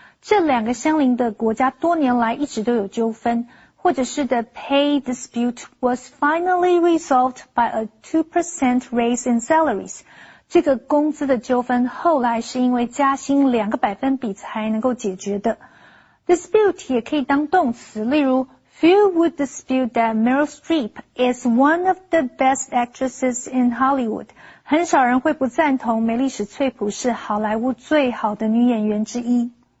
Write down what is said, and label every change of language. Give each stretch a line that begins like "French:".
Chinese: 这两个相邻的国家多年来一直都有纠纷。或者是
English: the pay dispute was finally resolved by a 2% raise in salaries.
Chinese: 这个工资的纠纷后来是因为加薪两个百分比才能够解决的。
English: Dispute
Chinese: 也可以当动词例如
English: Few would dispute that Meryl Streep is one of the best actresses in Hollywood.
Chinese: 很少人会不赞同梅丽史翠普是好莱坞最好的女演员之一。